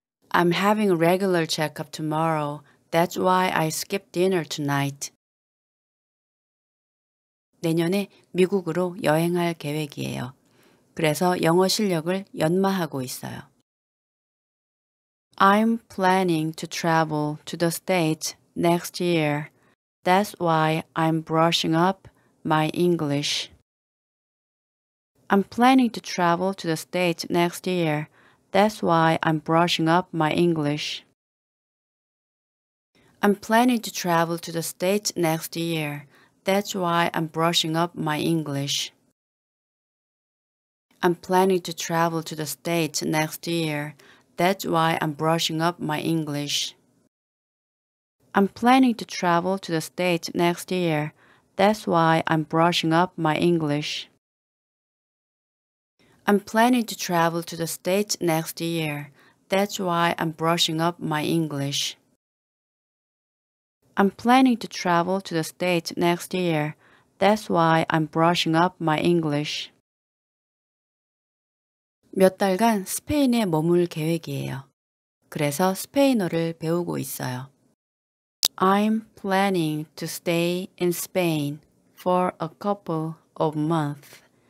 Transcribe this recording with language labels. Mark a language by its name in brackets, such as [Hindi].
[English] I'm having a regular checkup tomorrow. That's why I skipped dinner tonight. [Korean] 내년에 미국으로 여행할 계획이에요. 그래서 영어 실력을 연마하고 있어요. [English] I'm planning to travel to the States next year. That's why I'm brushing up my English. I'm planning to travel to the States next year. That's why I'm brushing up my English. I'm planning to travel to the States next year. That's why I'm brushing up my English. I'm planning to travel to the States next year. That's why I'm brushing up my English. I'm planning to travel to the States next year. That's why I'm brushing up my English. I'm planning to travel to the States next year. That's why I'm brushing up my English. I'm planning to travel to the States next year. That's why I'm brushing up my English. [Korean] 몇 달간 스페인에 머물 계획이에요. 그래서 스페인어를 배우고 있어요. [English] I'm planning to stay in Spain for a couple of months.